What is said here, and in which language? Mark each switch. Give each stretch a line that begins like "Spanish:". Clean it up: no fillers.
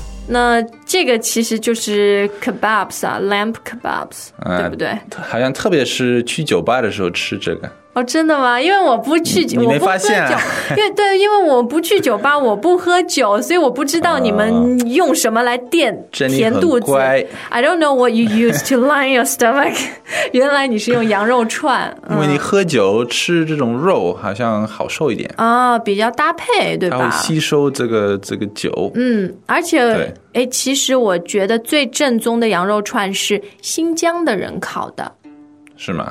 Chinese: 那这个其实就是 kebabs 啊 ，lamb kebabs，对不对？好像特别是去酒吧的时候吃这个。哦，真的吗？因为我不去，你没发现啊？因为我不去酒吧，我不喝酒，所以我不知道你们用什么来垫填肚子。乖
English: ，I don't know what you use to line your stomach.
Chinese: 原来你是用羊肉串。因为你喝酒吃这种肉，好像好受一点啊、哦，比较搭配，对吧？它会吸收这个酒。嗯，而且哎，其实我觉得最正宗的羊肉串是新疆的人烤的。是吗？